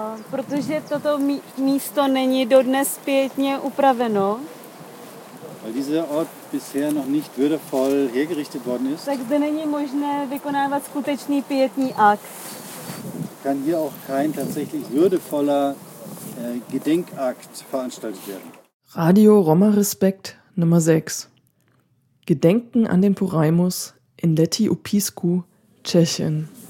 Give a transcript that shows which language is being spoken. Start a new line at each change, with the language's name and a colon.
Czech: Protože toto místo není dodnes pětně upraveno.
German: Weil dieser Ort bisher noch nicht würdevoll hergerichtet worden ist.
Czech: Tak zde není možné vykonávat skutečný pietní akt.
German: Kann hier auch kein tatsächlich würdevoller Gedenkakt veranstaltet werden. Radio Roma Respekt Nummer 6. Gedenken an den Poraimus in Leti Upisku, Tschechien.